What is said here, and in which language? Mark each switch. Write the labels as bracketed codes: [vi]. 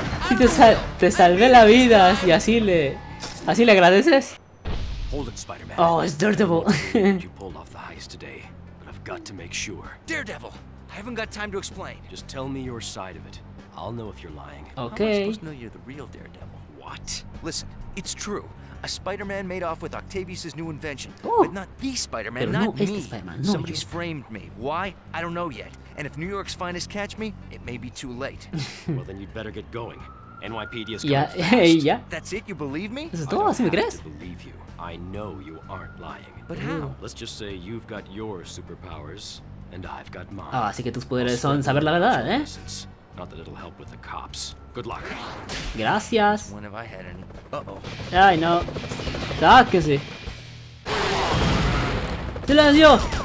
[es] Y te salvé la vida y así le agradeces. [en] Hold it, Spider-Man. Oh, it's Daredevil. You pulled off the heist today, but I've got to make sure. Daredevil, I haven't got time to explain. Just tell me your side of it. I'll know if you're lying. Okay. How am I supposed to know you're the real Daredevil? What? Listen, it's true. A Spider-Man made off with Octavius' new invention. Ooh. But not the Spider-Man, not no me. [es] Este Spider-Man. No, [en] somebody's framed me. Why? I don't know yet. And if New York's finest catch me, it may be too late. Well, then you'd better get going. NYPD is coming. Yeah. That's it? You believe me? [es] Eso es todo, ¿sí me crees? [en] I believe you. I know you aren't lying. But how? Let's just say you've got your superpowers, and I've got mine. [es] Ah, así que tus poderes son saber la verdad, ¿eh? [en] Not that it'll help with the cops. Good luck. [es] Gracias. [en] When have I had any? [es] Ay, no. ¡Sáquese! ¡Silencio!